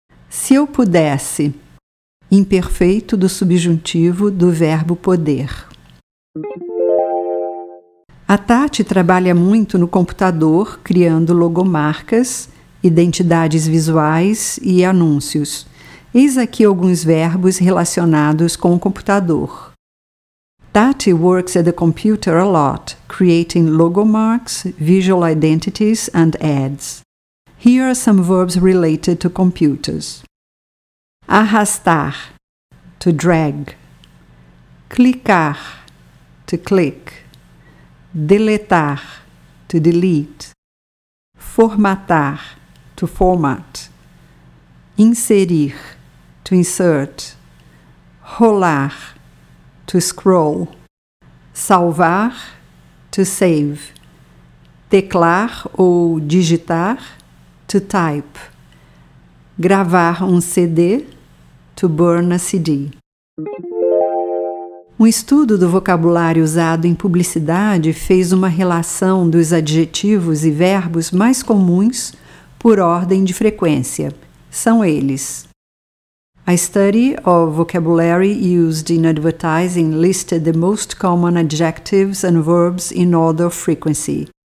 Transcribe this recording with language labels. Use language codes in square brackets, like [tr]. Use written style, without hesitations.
[pt] Se eu pudesse, imperfeito do subjuntivo do verbo poder. A Tati trabalha muito no computador, criando logomarcas, identidades visuais e anúncios. Eis aqui alguns verbos relacionados com o computador. [en] Tati works at the computer a lot, creating logomarks, visual identities, and ads. Here are some verbs related to computers. Arrastar, to drag. Clicar, to click. Deletar, to delete. Formatar, to format. Inserir, to insert. Rolar, to scroll. Salvar, to save. Teclar ou digitar, to type. Gravar um CD, to burn a CD. [pt] Um estudo do vocabulário usado em publicidade fez uma relação dos adjetivos e verbos mais comuns por ordem de frequência. São eles. [en] A study of vocabulary used in advertising listed the most common adjectives and verbs in order of frequency.